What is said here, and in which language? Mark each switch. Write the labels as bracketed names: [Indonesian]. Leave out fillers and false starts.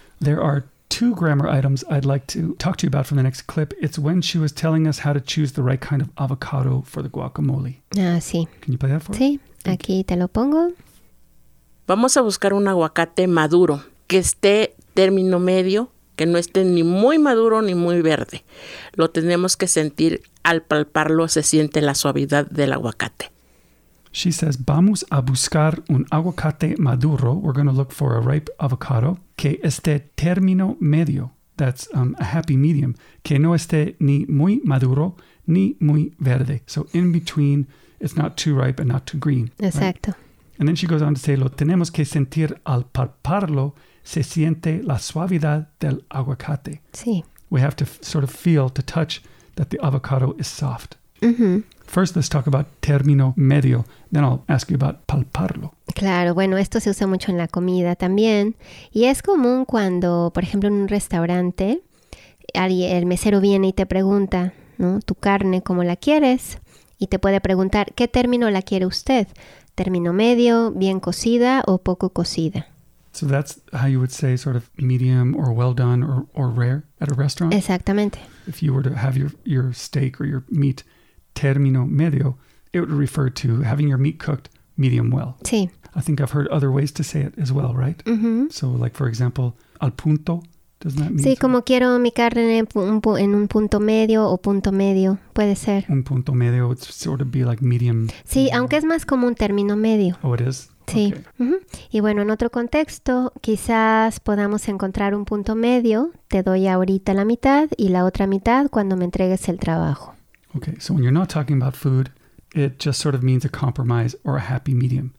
[English] There are two grammar items I'd like to talk to you about from the next clip. It's when she was telling us how to choose the right kind of avocado for the guacamole. [Spanish] Ah, sí. [English] Can you play that for [Spanish] us? Sí, aquí te lo pongo. Vamos a buscar un aguacate maduro que esté término medio, que no esté ni muy maduro ni muy verde. Lo tenemos que sentir al palparlo, se siente la suavidad del aguacate. [English] She says, [Spanish] vamos a buscar un aguacate maduro. [English] We're going to look for a ripe avocado [Spanish] que esté término medio. [English] That's a happy medium. [Spanish] Que no esté ni muy maduro ni muy verde. [English] So in between, it's not too ripe and not too green. [Spanish] Exacto. [English] Right? And then she goes on to say, [Spanish] lo tenemos que sentir al palparlo, se siente la suavidad del aguacate. Sí. [English] We have to sort of feel, to touch, that the avocado is soft. Mm-hmm. First, let's talk about término medio. Then I'll ask you about palparlo. [Spanish] Claro, bueno, esto se usa mucho en la comida también. Y es común cuando, por ejemplo, en un restaurante, el mesero viene y te pregunta, ¿no? Tu carne, ¿cómo la quieres? Y te puede preguntar, ¿qué término la quiere usted? ¿Término medio, bien cocida o poco cocida? [English] So that's how you would say sort of medium or well done or rare at a restaurant? [Spanish] Exactamente. [English] If you were to have your steak or your meat término medio, it would refer to having your meat cooked medium well. [Spanish] Sí. [English] I think I've heard other ways to say it as well, right? Mm-hmm. So like, for example, al punto, doesn't that mean? [Spanish] Sí, como quiero mi carne en un punto medio o punto medio, puede ser. [English] Un punto medio would sort of be like medium. [Spanish] Sí, medium. Aunque es más como un término medio. [English] Oh, it is? Sí. Okay. Uh-huh. [Spanish] Y bueno, en otro contexto, quizás podamos encontrar un punto medio. Te doy ahorita la mitad y la otra mitad cuando me entregues el trabajo. [English] Okay, so when you're not talking about food, it just sort of means a compromise or a happy medium.